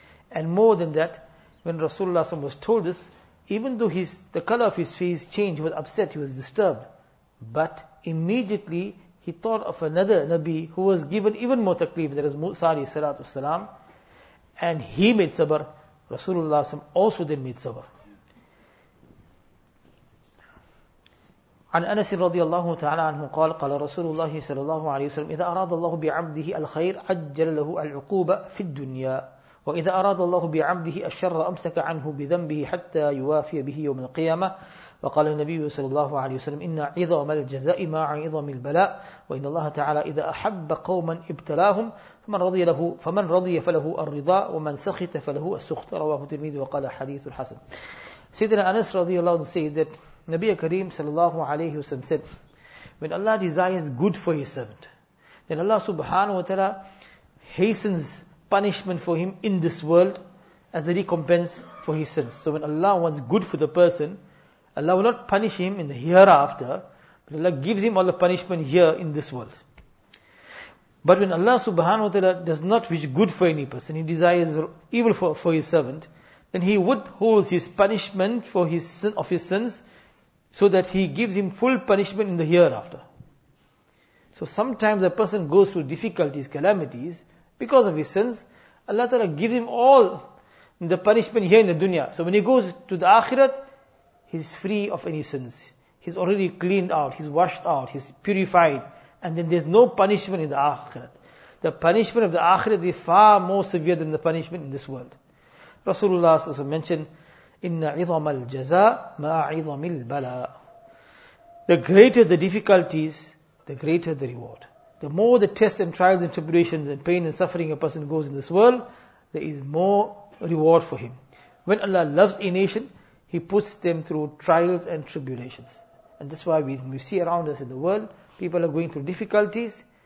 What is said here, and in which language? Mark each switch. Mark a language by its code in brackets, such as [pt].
[en] And more than that, when Rasulullah was told this, even though the color of his face changed, he was upset, he was disturbed. But immediately he thought of another Nabi who was given even more taklif, that is Musa alayhi salatu wasalam, and he made sabr. Rasulullah also then made sabr. [ar] عن أنس رضي الله تعالى عنه قال قال رسول الله صلى الله عليه وسلم إذا أراد الله بعبده الخير عجل له العقوبة في الدنيا وإذا أراد الله بعبده الشر أمسك عنه بذنبه حتى يوافي به يوم القيامة وقال النبي صلى الله عليه وسلم إن عظم الجزاء مع عظم البلاء وإن الله تعالى إذا أحب قوما ابتلاهم فمن رضي فله الرضا ومن سخط فله السخط رواه الترمذي وقال حديث الحسن. [en] سيدنا أنس رضي الله عنه says that Nabi Kareem sallallahu alayhi wasallam said, when Allah desires good for his servant, then Allah subhanahu wa ta'ala hastens punishment for him in this world as a recompense for his sins. So when Allah wants good for the person, Allah will not punish him in the hereafter, but Allah gives him all the punishment here in this world. But when Allah subhanahu wa ta'ala does not wish good for any person, he desires evil for his servant, then he withholds his punishment for his sin, of his sins, so that he gives him full punishment in the hereafter. So sometimes a person goes through difficulties, calamities, because of his sins, Allah Ta'ala gives him all the punishment here in the dunya. So when he goes to the akhirat, he's free of any sins. He's already cleaned out, he's washed out, he's purified. And then there's no punishment in the akhirat. The punishment of the akhirat is far more severe than the punishment in this world. Rasulullah also mentioned, [ar] إِنَّ عِظَمَ الْجَزَاءَ مَا عِظَمِ الْبَلَاءَ. [en] The greater the difficulties, the greater the reward. The more the tests and trials and tribulations and pain and suffering a person goes in this world, there is more reward for him. When Allah loves a nation, He puts them through trials and tribulations. And that's why we see around us in the world, people are going through difficulties.